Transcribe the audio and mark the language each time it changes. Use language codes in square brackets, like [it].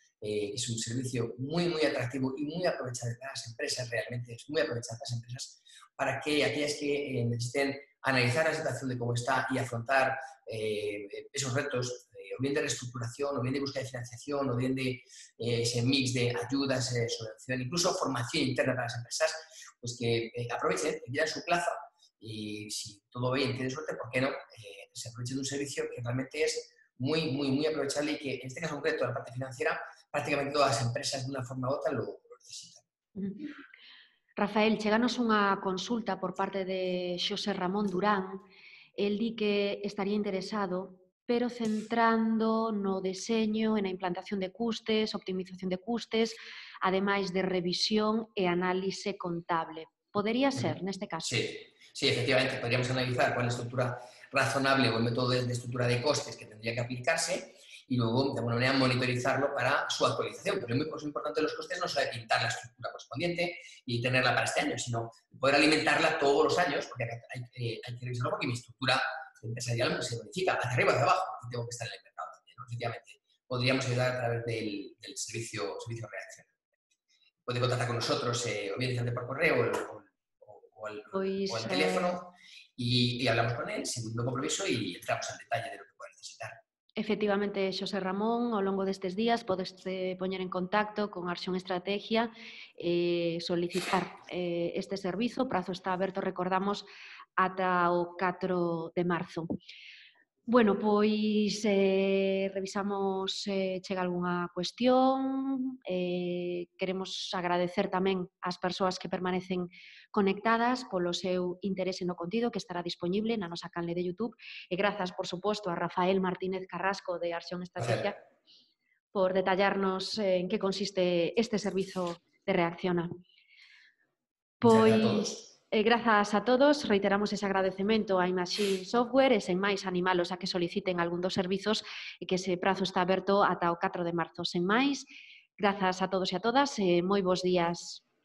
[es] Es un servicio muy, muy atractivo y muy aprovechado para las empresas, realmente es muy aprovechado para las empresas, para que aquellas que necesiten analizar la situación de cómo está y afrontar esos retos, o bien de reestructuración, o bien de búsqueda de financiación, o bien de ese mix de ayudas, subvención, incluso formación interna para las empresas, pues que aprovechen, pidan su plaza, y si todo bien, tiene suerte, ¿por qué no? Se aprovechen de un servicio que realmente es muy, muy, muy aprovechable y que en este caso concreto, la parte financiera, prácticamente todas las empresas de una forma u otra lo necesitan. [gl] Rafael, chéganos unha consulta por parte de Xosé Ramón Durán. El di que estaría interesado, pero centrando no deseño e na implantación de custes, optimización de custes, ademais de revisión e análise contable. Podería ser, neste caso? [es] Sí, efectivamente, podríamos analizar cuál é a estructura razonable ou o método de estructura de costes que tendría que aplicarse e logo, de alguna manera, monitorizarlo para súa actualización. [gl] Pero é moi importante los costes non só pintar a estructura correspondiente e tenerla para este ano, sino poder alimentarla todos os anos, [es] porque hai que revisarlo porque mi estructura empresarial se modifica hacia arriba, hacia abajo, y tengo que estar en el mercado también, ¿no? Efectivamente, podríamos ayudar a través del servicio de reacción. Puede contactar con nosotros, o bien desde por correo o al teléfono, y hablamos con él, sin ningún compromiso, y entramos al detalle de lo que puede necesitar. [gl] Efectivamente, Xosé Ramón, ao longo destes días podes poñer en contacto con Arxión Estrategia e solicitar este servizo. O prazo está aberto, recordamos, ata o 4 de marzo. Bueno, pois revisamos se chega algunha cuestión. Queremos agradecer tamén ás persoas que permanecen conectadas polo seu interese no contido que estará disponible na nosa canle de YouTube. E grazas, por suposto, a Rafael Martínez Carrasco de Arxión Estrategia por detallarnos en que consiste este servizo de Reacciona. Pois... Grazas a todos, reiteramos ese agradecemento a Imagine Software e sen máis animalos a que soliciten algún dos servizos e que ese prazo está aberto ata o 4 de marzo. Sen máis, grazas a todos e a todas, moi bos días.